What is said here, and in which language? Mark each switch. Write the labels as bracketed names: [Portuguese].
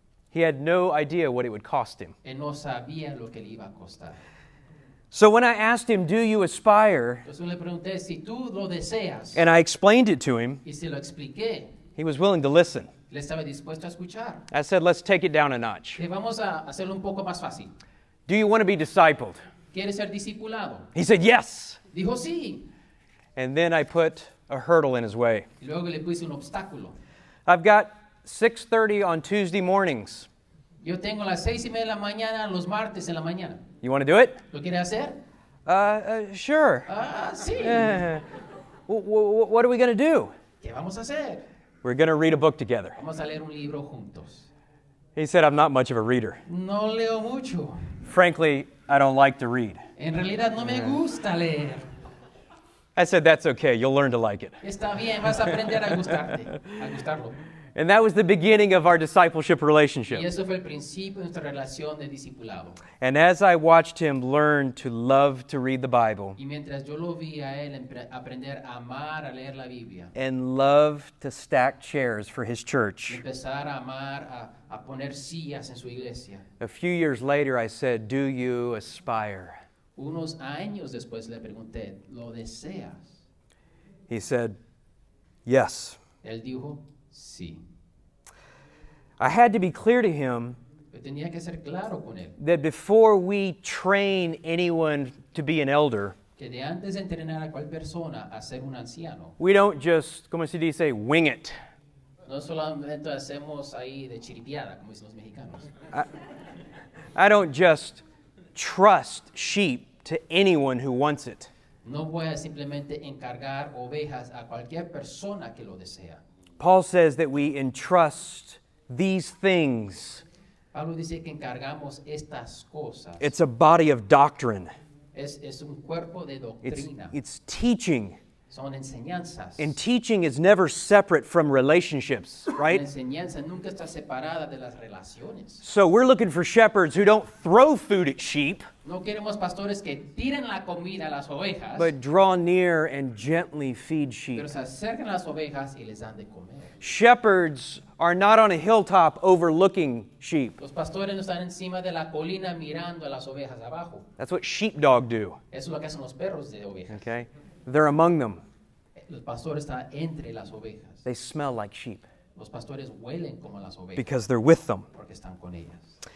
[English] He had no idea what it would cost him. [Spanish] Él no sabía lo que le iba a costar. [English] So when I asked him, do you aspire? [Spanish] Le pregunté, si tú lo deseas, [English] and I explained it to him. [Spanish] Y si lo expliqué, [English] he was willing to listen. [Spanish] Le estaba dispuesto a escuchar. [English] I said, let's take it down a notch. [Spanish] Le vamos a hacerlo un poco más fácil. [English] Do you want to be discipled? [Spanish] ¿Quieres ser discipulado? [English] He said, yes. [Spanish] Dijo, sí. [English] And then I put a hurdle in his way. [Spanish] Luego le puse un obstáculo. [English] I've got 6:30 on Tuesday mornings. [Spanish] Yo tengo las 6:30 de la mañana los martes en la mañana. [English] You want to do it? [Spanish] ¿Lo quiere hacer? [English] Sure. [Spanish] Sí. [English] What are we going to do? [Spanish] ¿Qué vamos a hacer? [English] We're going to read a book together. [Spanish] Vamos a leer un libro juntos. [English] He said, I'm not much of a reader. [Spanish] No leo mucho. [English] Frankly, I don't like to read. [Spanish] En realidad, no me gusta leer. [English] I said, that's okay. You'll learn to like it. [Spanish] Está bien. Vas a aprender a gustarte, a gustarlo. [English] And that was the beginning of our discipleship relationship. [Spanish] Y eso fue el principio de nuestra relación de discipulado. [English] And as I watched him learn to love to read the Bible, [Spanish] y mientras yo lo vi a él aprender a amar a leer la Biblia, [English] and love to stack chairs for his church, [Spanish] y empezar a amar a poner sillas en su iglesia, [English] a few years later I said, do you aspire? [Spanish] Unos años después le pregunté, ¿lo deseas? [English] He said, yes. [Spanish] Él dijo, sí. [English] I had to be clear to him [Spanish] tenía que ser claro con él, [English] that before we train anyone to be an elder, [Spanish] que de antes de entrenar a cual persona a ser un anciano, [English] we don't just, [Spanish] como se dice, [English] wing it. [Spanish] No solamente hacemos ahí de chiripiada, como dicen los mexicanos. [English] I don't just trust sheep to anyone who wants it. [Spanish] No voy a simplemente encargar ovejas a cualquier persona que lo desea. [English] Paul says that we entrust these things. [Spanish] Pablo dice que encargamos estas cosas. [English] It's a body of doctrine. [Spanish] Es un cuerpo de doctrina. [English] It's teaching. [Spanish] Son enseñanzas. [English] And teaching is never separate from relationships, right? [Spanish] La enseñanza nunca está separada de las relaciones. [English] So we're looking for shepherds who don't throw food at sheep. [Spanish] No queremos pastores que tiren la comida a las ovejas. [English] But draw near and gently feed sheep. [Spanish] Pero se acercan a las ovejas y les dan de comer. [English] Shepherds are not on a hilltop overlooking sheep. [Spanish] Los pastores no están encima de la colina mirando a las ovejas abajo. [English] That's what sheepdog do. [Spanish] Eso es lo que hacen los perros de ovejas. [English] Okay. They're among them. [Spanish] El pastor está entre las ovejas. [English] They smell like sheep. [Spanish] Los pastores huelen como las ovejas. [English] Because they're with them. [Spanish] Porque están con ellas.